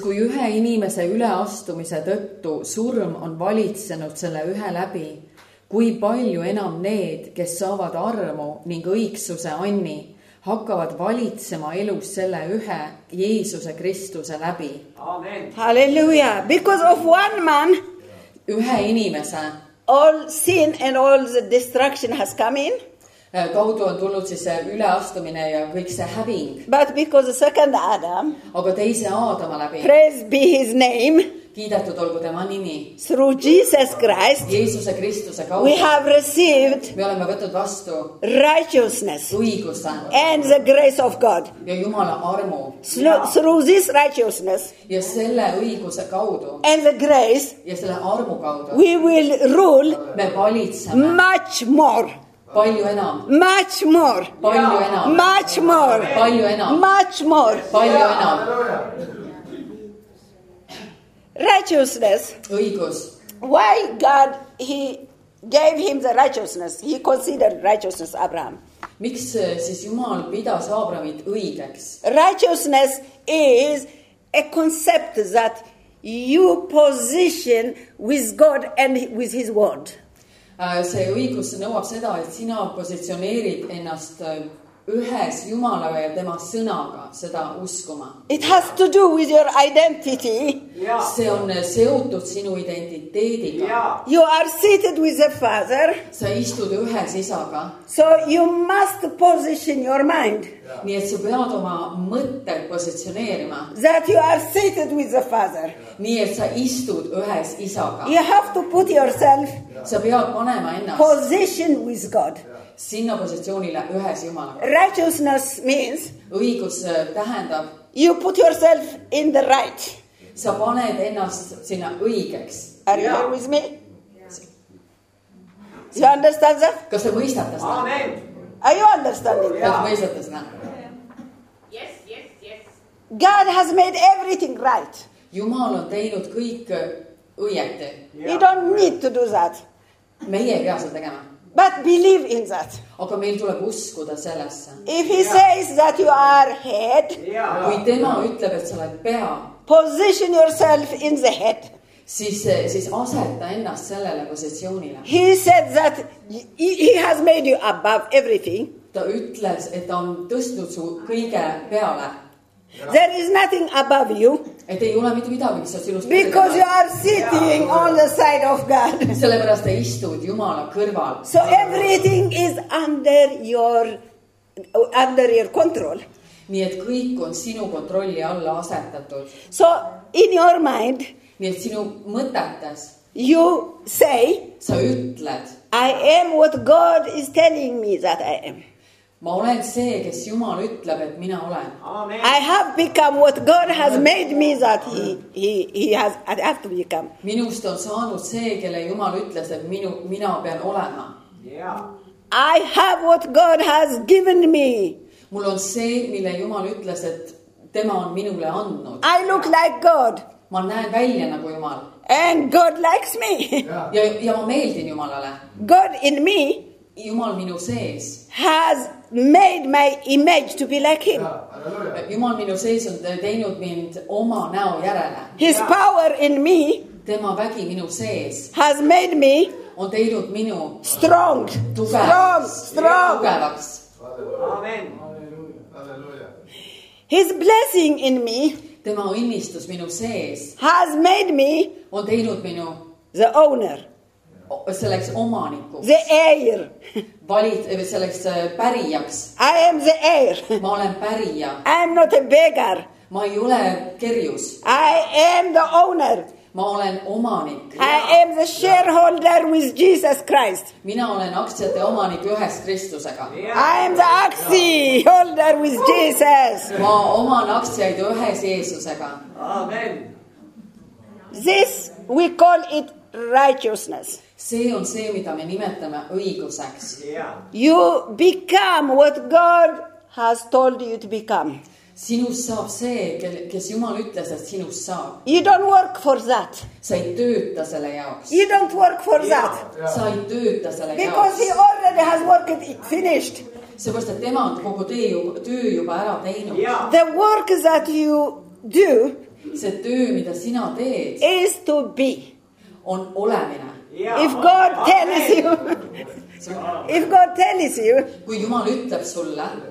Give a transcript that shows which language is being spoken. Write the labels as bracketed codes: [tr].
[et] kui ühe inimese üleastumise tõttu surm on valitsenud selle ühe läbi, kui palju enam need, kes saavad armu ning õigsuse anni, hakkavad valitsema elus selle ühe Jeesuse Kristuse läbi. Amen. [en] Hallelujah. Because of one man, [et] ühe inimese, [en] all sin and all the destruction has come in. [et] Kaudu on tulnud siis üleastumine ja kõik see häving. [en] But because the second Adam, [et] aga teise Aadama läbi, [en] praise be his name, [et] kiidetud olgu tema nimi, [en] through Jesus Christ, [et] Jeesuse Kristuse kaudu, [en] we have received, [et] me oleme võtnud vastu, [en] righteousness, [et] õiguse, [en] and the grace of God, [et] ja Jumala armu, [en] through this righteousness, [et] ja selle õiguse kaudu, [en] and the grace, [et] ja selle armu kaudu, [en] we will rule, [et] me valitseme, [en] much more, [et] palju enam. [en] Much more. [et] Palju enam. [en] Much more. [et] Palju enam. [en] Much more. [et] Palju enam. [en] Righteousness. [et] Õigus. [en] Why God, he gave him the righteousness. He considered righteousness Abraham. [et] Miks siis Jumal pidas Abrahamit õigeks? [en] Righteousness is a concept that you position with God and with his word. [et] See õigus nõuab seda, et sina positsioneerid ennast ühes Jumala ja tema sõnaga seda uskuma. [en] It has to do with your identity. [et] See on seotud sinu identiteediga. [en] You are seated with the Father. [et] Sa istud ühes isaga. [en] So you must position your mind. [et] Nii et sa pead oma mõtte positsioneerima. [en] That you are seated with the Father. [et] Nii et sa istud ühes isaga. [en] You have to put yourself. [et] Sa pead panema ennast. [en] Position with God. [et] Sinna positsioonile ühes Jumalaga. [en] Righteousness means. [et] Õigus tähendab. [en] You put yourself in the right. [et] Sa paned ennast sinna õigeks. [en] Are you here with me? You understand that? [et] Kas te mõistate seda? Amen. [en] Are you understanding? [et] Kas te mõistate seda? [en] Yes, yes, yes. God has made everything right. [et] Jumal on teinud kõik õieti. [en] You don't need to do that. [et] Meie ei pea seda tegema. [en] But believe in that. [et] Aga meil tuleb uskuda sellesse. [en] If he says that you are head, [et] kui tema ütleb, et sa oled pea, [en] position yourself in the head. [et] Siis aseta ennast sellele positsioonile. [en] He said that he has made you above everything. [et] Ta ütles, et ta on tõstnud su kõige peale. [en] There is nothing above you. [et] Et ei ole mitte midagi, mis sa sinust. [en] Because you are sitting on the side of God. [et] Sellepärast ta istud Jumala kõrval. [en] So everything is under your control. [et] Nii et kõik on sinu kontrolli alla asetatud. [en] So in your mind. [et] Nii et sinu mõtetes. [en] You say. [et] Sa ütled. [en] I am what God is telling me that I am. [et] Ma olen see, kes Jumal ütleb, et mina olen. Amen. [en] I have become what God has made me that he has to become. [et] Minust on saanud see, kelle Jumal ütles, et mina pean olema. [en] Yeah. I have what God has given me. [et] Mul on see, mille Jumal ütles, et tema on minule andnud. [en] I look like God. [et] Ma näen välja nagu Jumal. [en] And God likes me. [et] Ja ma meeldin Jumalale. [en] God in me. [et] Jumal minu sees. [en] Has made my image to be like him. [et] Jumal minu sees on teinud mind oma näo järele. [en] His power in me. [et] Tema vägi minu sees. [en] Has made me. [et] On teinud minu. [en] Strong. [et] Tugevaks. [en] Strong. [et] Tugevaks. Amen. [en] His blessing in me. [et] Tema õnnistus minu sees. [en] Has made me. [et] On teinud minu. [en] The owner. [et] Selleks omanikuks. [en] The heir. [et] Valit selleks pärijaks. [en] I am the heir. [et] Ma olen pärija. [en] I am not a beggar. [et] Ma ei ole kerjus. [en] I am the owner. [et] Ma olen omanik. [en] I am the shareholder with Jesus Christ. [et] Mina olen aktsiate omanik ühes Kristusega. [en] I am the aktsia holder with Jesus. [et] Ma oman aktsiaid ühes Jeesusega. Amen. [en] This, we call it righteousness. [et] See on see, mida me nimetame õiguseks. [en] Yeah. You become what God has told you to become. [et] Sinus saab see, kes Jumal ütles, et sinus saab. [en] You don't work for that. [et] Sa ei tööta selle jaoks. [en] You don't work for that. [et] Sa ei tööta selle jaoks. [en] Because he already has worked it finished. [et] See vast, et tema on kogu töö juba ära teinud. [en] Yeah. The work that you do. [et] See töö, mida sina teed. [en] Is to be. [et] On olemine. [en] If God tells you, if God tells you, [et] kui Jumal ütleb sulle,